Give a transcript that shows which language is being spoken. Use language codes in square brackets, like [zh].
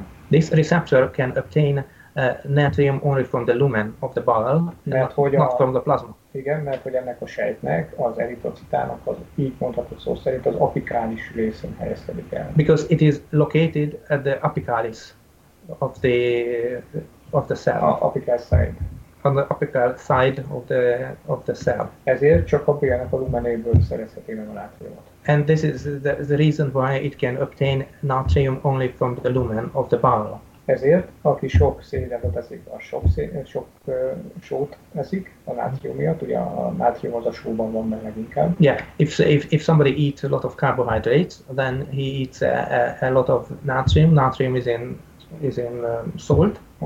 [en] This receptor can obtain natrium only from the lumen of the bowel, not from the plasma. [hu] Igen, mert hogy ennek a sejtnek, az eritrocitának, az így mondhatok szó szerint, az apikális részén helyezkedik el. [en] Because it is located at the apicalis of the cell. On the apical side of the cell. [hu] Ezért csak a bélnek a lumenéből szerezheti meg a nátriumot. [en] And this is the reason why it can obtain natrium only from the lumen of the bowel. [hu] Ezért, aki sok szénhidrátot eszik, a sok sót eszik a nátrium miatt, ugye a nátrium az a sóban van meg leginkább. [en] Yeah, if somebody eats a lot of carbohydrates, then he eats a lot of natrium. Natrium is in salt.